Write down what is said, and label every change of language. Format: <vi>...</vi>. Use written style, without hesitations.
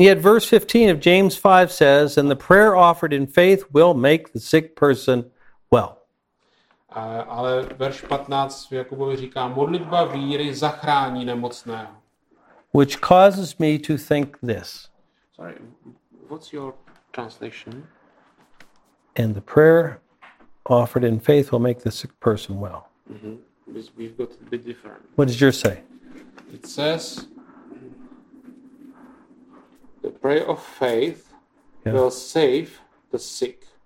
<en>And yet verse 15 of James 5 says, and the prayer offered in faith will make the sick person well.</en> <cs>Ale verš 15 v Jakubovi říká, modlitba víry zachrání nemocného.</cs> <en>Which causes me to think this. Sorry, what's your translation? And the prayer offered in faith will make the sick person well. Mm-hmm. We've got a bit different. What does yours say? It says, the prayer of faith will save the sick.</en>